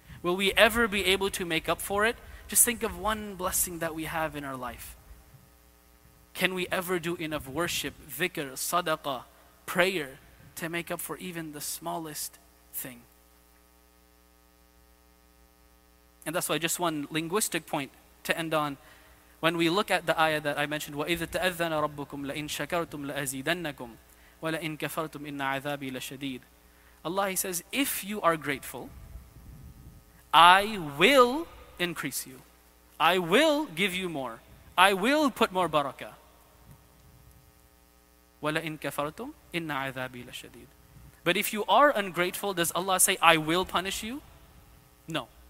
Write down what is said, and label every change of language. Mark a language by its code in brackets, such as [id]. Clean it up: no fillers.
[en] Will we ever be able to make up for it? Just think of one blessing that we have in our life. Can we ever do enough worship, dhikr, sadaqah, prayer to make up for even the smallest thing? And that's why just one linguistic point to end on. When we look at the ayah that I mentioned, [ar] وَإِذْ تَأَذَّنَ رَبُّكُمْ لَإِنْ شَكَرْتُمْ لَأَزِيدَنَّكُمْ وَلَإِنْ كَفَرْتُمْ إِنَّ عَذَابِي لَشَدِيدٌ. [en] Allah, He says, if you are grateful, I will increase you. I will give you more. I will put more barakah. [ar] وَلَئِنْ كَفَرْتُمْ إِنَّ عَذَابِي لَشَدِيدٌ. [en] But if you are ungrateful, does Allah say, I will punish you? No.